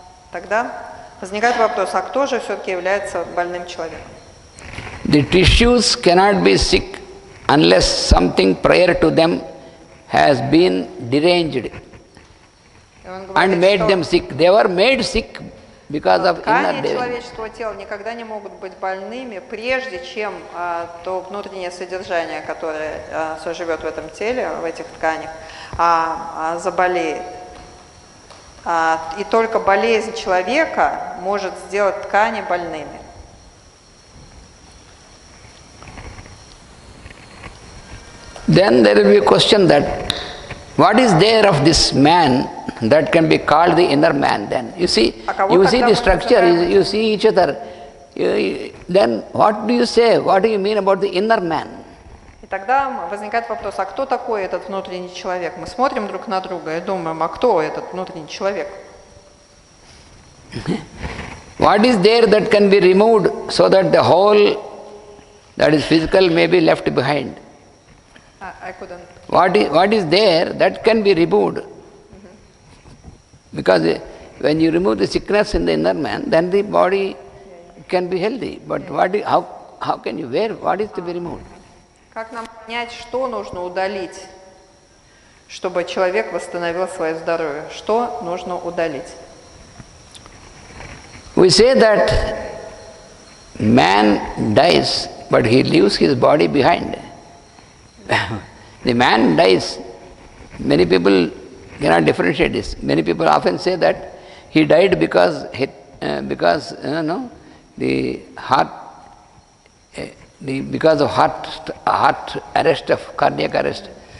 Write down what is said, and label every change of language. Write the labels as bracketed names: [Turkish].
[Russian] Тогда возникает вопрос, а кто же все-таки является больным человеком? [English] The tissues cannot be sick unless something prior to them has been deranged and made them sick. They were made sick because of inner [Russian] Ткани человеческого тела никогда не могут быть больными, прежде чем то внутреннее содержание, которое живет в этом теле, в этих тканях, заболеет. И только болезнь человека может сделать ткани больными. [English] Then there will be a question that what is there of this man that can be called the inner man then? You see the structure, you see each other. Then what do you say? What do you mean about the inner man? [Russian] И тогда возникает вопрос, а кто такой этот внутренний человек? Мы смотрим друг на друга и думаем, а кто этот внутренний человек? [English] What is there that can be removed so that the whole that is physical may be left behind? What is there that can be removed? Mm-hmm. Because when you remove the sickness in the inner man, then the body can be healthy. But what is to be removed? [Russian] Как нам понять, что нужно удалить, чтобы человек восстановил свое здоровье? Что нужно удалить? [English] We say that man dies, but he leaves his body behind. The man dies. Many people cannot differentiate this. Many people often say that he died because of heart arrest, cardiac arrest.